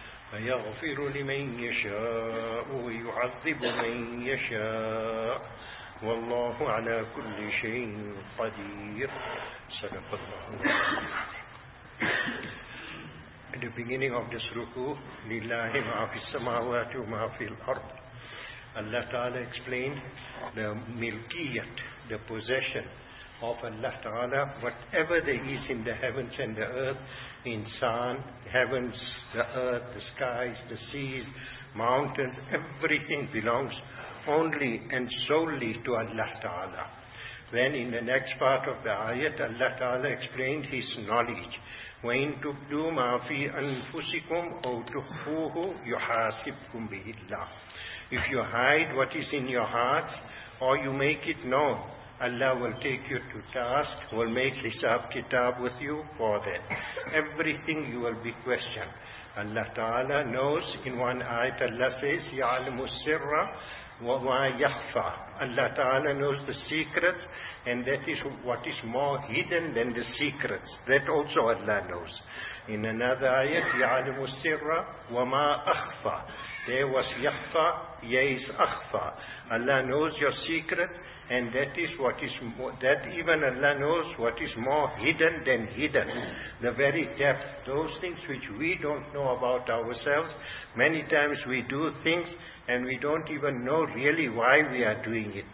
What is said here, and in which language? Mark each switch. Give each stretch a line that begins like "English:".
Arabic: فيغفر لمن يشاء ويعذب من يشاء والله على كل شيء قدير. صدق الله العظيم.
English: At the beginning of this ruku,
Arabic: لله ما في السماوات وما في الأرض.
English: Allah Ta'ala explained the milkiyat, the possession of Allah Ta'ala, whatever there is in the heavens and the earth, insan, heavens, the earth, the skies, the seas, mountains, everything belongs only and solely to Allah Ta'ala. Then in the next part of the ayat, Allah Ta'ala explained His knowledge.
Arabic: وَإِن تُبْدُوا مَا فِي أَنفُسِكُمْ أَوْ تُخْفُوهُ يُحَاسِبْكُمْ بِهِ اللَّهِ.
English: If you hide what is in your heart or you make it known, Allah will take you to task, will make hisab kitab with you for that. Everything you will be questioned. Allah Ta'ala knows. In one ayat Allah says,
Arabic: يَعْلَمُ السِّرَّ وَمَا يَخْفَى.
English: Allah Ta'ala knows the secrets, and that is what is more hidden than the secrets. That also Allah knows. In another ayat,
Arabic: يَعْلَمُ السِّرَّ وَمَا أَخْفَى.
English: There was yakhfa, ya is akhfa. Allah knows your secret, and that is what is more, that even Allah knows what is more hidden than hidden. The very depth, those things which we don't know about ourselves. Many times we do things and we don't even know really why we are doing it.